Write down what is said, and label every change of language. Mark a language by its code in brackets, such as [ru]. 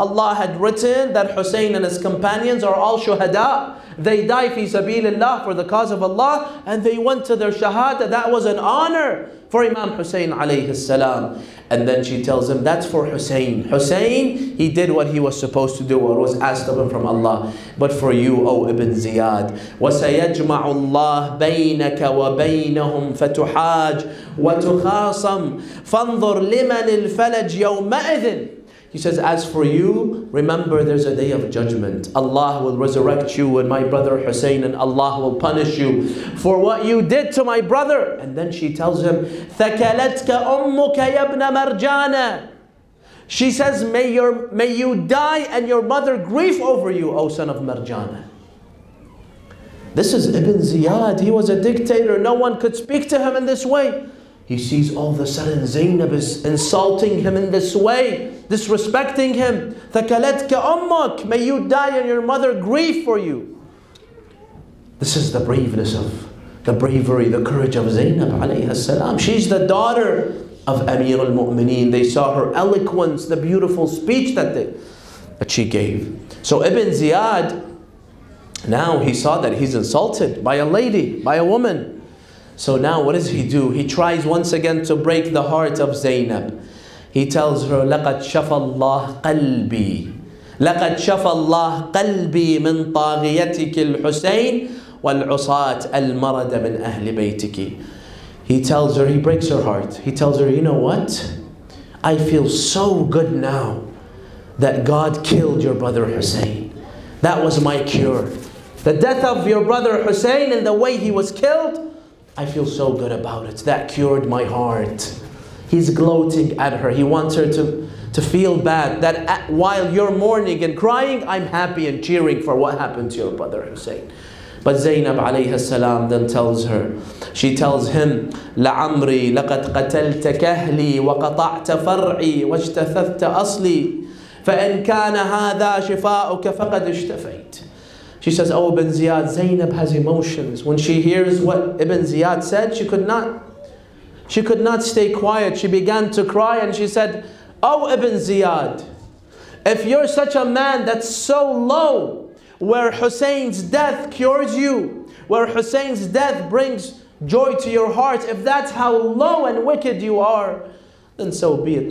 [en] Allah had written that Hussein and his companions are all shuhada. They die fi sabilillah, for the cause of Allah, and they went to their shahada. That was an honor for Imam Hussein alayhi salam. And then she tells him, that's for Hussein. Hussein, he did what he was supposed to do, what was asked of him from Allah. But for you, O Ibn Ziyad, [ar] وَسَيَجْمَعُ اللَّهُ بَيْنَكَ وَبَيْنَهُمْ فَتُحَاجْ وَتُخَاصَمْ فَانْظُرْ لِمَنِ الْفَلَجْ يَوْمَئِذٍ. [en] He says, as for you, remember there's a day of judgment. Allah will resurrect you and my brother Hussein, and Allah will punish you for what you did to my brother. And then she tells him, [ar] ثَكَلَتْكَ أُمُّكَ يَبْنَ مَرْجَانَ. [en] She says, may you die and your mother grieve over you, O son of Marjana. This is Ibn Ziyad. He was a dictator. No one could speak to him in this way. He sees all of a sudden Zainab is insulting him in this way, disrespecting him. [ar] ثَكَلَتْكَ أُمَّكَ. [en] May you die and your mother grieve for you. This is the braveness of, the bravery, the courage of Zainab alayhi salam. She's the daughter of Amir al-Mu'mineen. They saw her eloquence, the beautiful speech that she gave. So Ibn Ziyad, now he saw that he's insulted by a lady, by a woman. So now what does he do? He tries once again to break the heart of Zainab. He tells her, [ar] لَقَدْ شَفَى اللَّهُ قَلْبِي لَقَدْ شَفَى اللَّهُ قَلْبِي مِنْ طَاغِيَتِكِ الْحُسَيْنِ وَالْعُصَاتِ الْمَرَدَ مِنْ أَهْلِ بَيْتِكِ. [en] He tells her, he breaks her heart. He tells her, you know what? I feel so good now that God killed your brother Hussein. That was my cure. The death of your brother Hussein and the way he was killed, I feel so good about it. That cured my heart. He's gloating at her. He wants her to feel bad. That while you're mourning and crying, I'm happy and cheering for what happened to your brother Hussein. But Zainab alayhi salam then tells her, she tells him, [ar] لَعَمْرِي لَقَدْ قَتَلْتَ كَهْلِي وَقَطَعْتَ فَرْعِي وَاجْتَثَثْتَ أَصْلِي فَإِنْ كَانَ هَذَا شِفَاءُكَ فَقَدْ اشْتَفَيْتَ. [en] She says, oh Ibn Ziyad, Zainab has emotions. When she hears what Ibn Ziyad said, she could not stay quiet. She began to cry and she said, oh Ibn Ziyad, if you're such a man that's so low, where Hussein's death cures you, where Hussein's death brings joy to your heart, if that's how low and wicked you are, then so be it.